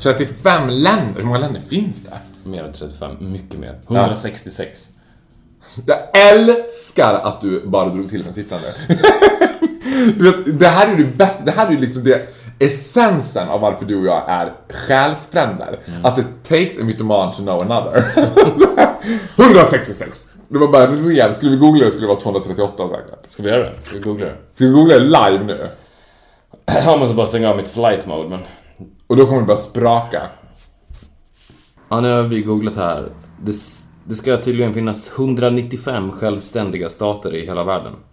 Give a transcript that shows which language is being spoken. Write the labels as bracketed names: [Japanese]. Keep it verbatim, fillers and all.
[Swedish] trettiofem länder? Hur många länder finns det? Mer än trettiofem, mycket mer. etthundrasextiosex. Jag älskar att du bara drog till med siffran där. Du vet, det här är det bästa. Det här är liksom det essensen av varför du och jag är själsfränder. Mm. [English] Att it takes a mytoman to know another. [Swedish] etthundrasextiosex. Det var bara ren. Skulle vi googla det skulle det vara tvåhundratrettioåtta säkert. Ska vi göra det? Ska vi googla det? Ska vi googla det live nu? Jag måste bara stänga av mitt flight mode, men... Och då kommer det bara spraka. Ja, nu har vi googlat här. Det, det ska tydligen finnas etthundranittiofem självständiga stater i hela världen.